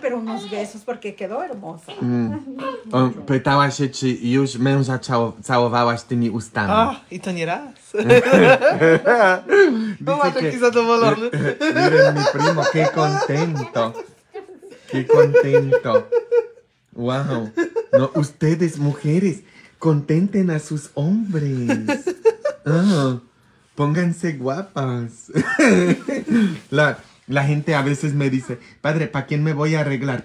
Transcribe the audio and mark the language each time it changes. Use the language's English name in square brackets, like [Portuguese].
[Spanish] Al rato le va a dar, pero unos besos, porque quedó hermoso. [Polish] Pytała się, czy już męża całowałaś tymi ustami. I to nie raz. No, ma taki zadowolony. [Spanish] Miren, mi primo, qué contento. Qué contento. Wow. No, ustedes, mujeres, contenten a sus hombres. Oh, pónganse guapas. La gente a veces me dice, padre, ¿para quién me voy a arreglar?